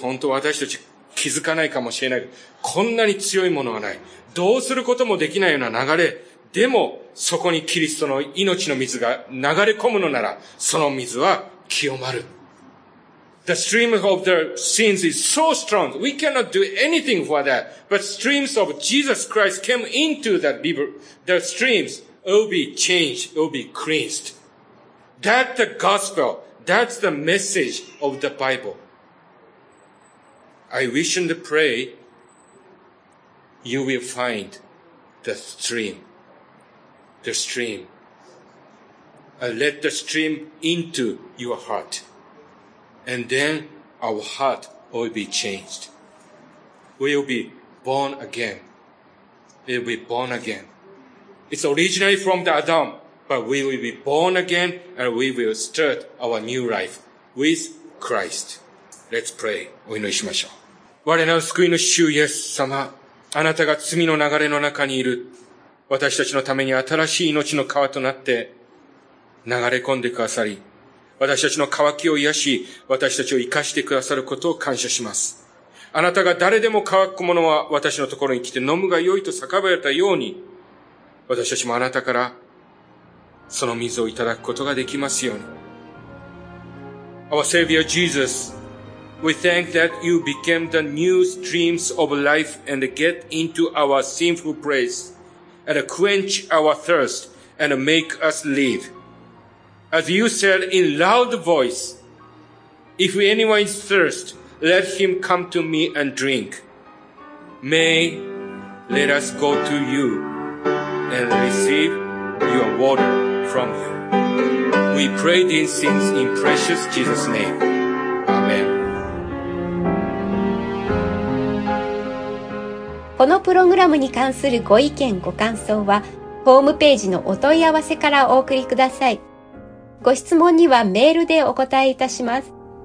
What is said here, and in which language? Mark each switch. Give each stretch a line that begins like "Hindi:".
Japanese: 本当私たち気づかないかもしれない。こんなに強いものはない。どうすることもできないような流れ。でも、そこにキリストの命の水が流れ込むのなら、その水は清まる。
English: The stream of the sins is so strong. We cannot do anything for that. But streams of Jesus Christ came into that river. The streams will be changed, will be cleansed. That's the gospel. That's the message of the Bible. I wish and pray you will find the stream. The stream. Let the stream into your heart. And then our heart will be changed. We will be born again. We will be born again. It's originally from the Adam, but we will be born again and we will start our new life with Christ. Let's pray.
Japanese: お祈りしましょう。我らの救いの主イエス様、あなたが罪の流れの中にいる。私たちのために新しい命の川となって流れ込んでくださり、私たちの渇きを癒し、私たちを生かしてくださることを感謝します。あなたが誰でも渇く者は私のところに来て飲むがよいと叫ばれたように、私たちもあなたからその水をいただくことができますように。
English: Our Savior Jesus, we thank that you became the new streams of life and get into our sinful place and quench our thirst and make us live. As you said in loud voice, if anyone is thirst, let him come to me and drink. May let us go to you and receive your water from you. We pray these things in precious Jesus' name. Amen.
Japanese: このプログラムに関するご意見ご感想はホームページのお問い合わせからお送りください。ご質問にはメールでお答えいたします。